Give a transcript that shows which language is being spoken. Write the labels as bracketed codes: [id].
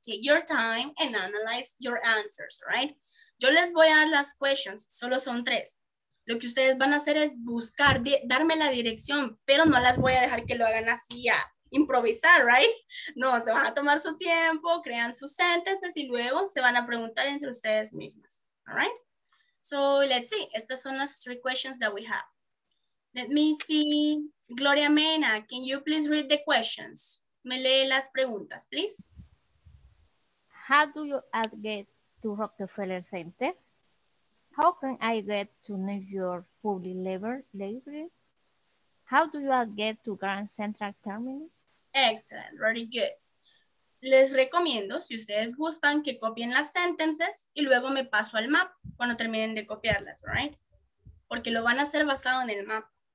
[en] Take your time and analyze your answers, right? [es] Yo les voy a dar las questions. Solo son tres. Lo que ustedes van a hacer es buscar, darme la dirección, pero no las voy a dejar que lo hagan así a improvisar, right? No, se van a tomar su tiempo, crean sus sentences y luego se van a preguntar entre ustedes mismas, all right? [en] So, let's see. [es] Estas son las [en] three questions that we have. Let me see. Gloria Mena, can you please read the questions? [es] Me lee las preguntas, please. [en] How do you get to Rockefeller Center? How can I get to New York Public Library? How do you get to Grand Central Terminal? Excellent, very good. [es] Les recomiendo, si ustedes gustan, que copien las sentences y luego me paso al map cuando terminen de copiarlas, right? Porque lo van a hacer basado en el map.